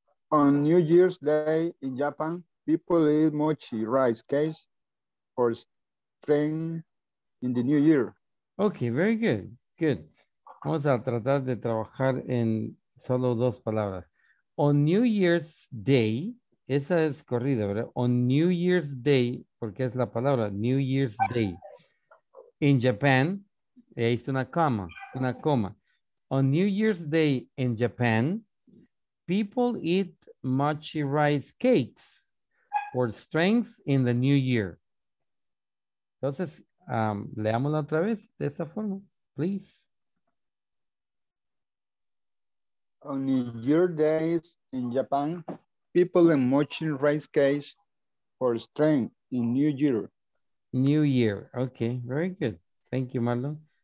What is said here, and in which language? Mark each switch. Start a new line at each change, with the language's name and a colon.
English: On New Year's Day in Japan, people eat mochi rice cakes for strength in the new year. Okay, very good. Good.
Spanish: Vamos a tratar de trabajar en solo dos palabras.
English: On New Year's Day,
Spanish: esa es corrida, ¿verdad?
English: On New Year's Day,
Spanish: porque es la palabra,
English: New Year's Day. In Japan,
Spanish: ahí está una coma.
English: On New Year's Day in Japan, people eat mochi rice cakes for strength in the new year.
Spanish: Entonces, leámoslo otra vez de esa forma,
English: please. On New Year's Day in Japan, people eat mochi rice cakes for strength in new year. New year. Okay, very good. Thank you, Marlon.